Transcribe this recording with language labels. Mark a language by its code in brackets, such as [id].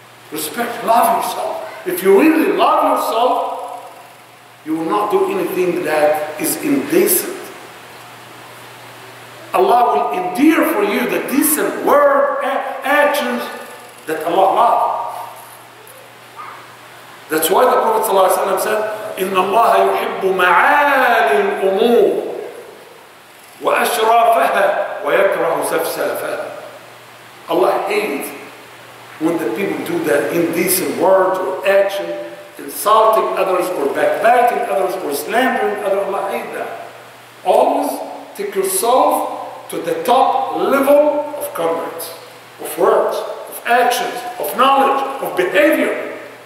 [en] Respect, love yourself. If you really love yourself, you will not do anything that is indecent. Allah will endear for you the decent word and actions that Allah loves. That's why the Prophet ﷺ said, [ar] إِنَّ اللَّهَ يُحِبُّ مَعَالِي الْأُمُورِ وَأَشْرَافَهَا وَيَكْرَهُ سَفْسَافَهَا. [en] Allah hates when the people do that indecent words or action, insulting others or backbiting others or slandering others. Allah hates that. Always take yourself to the top level of conduct, of words, of actions, of knowledge, of behavior.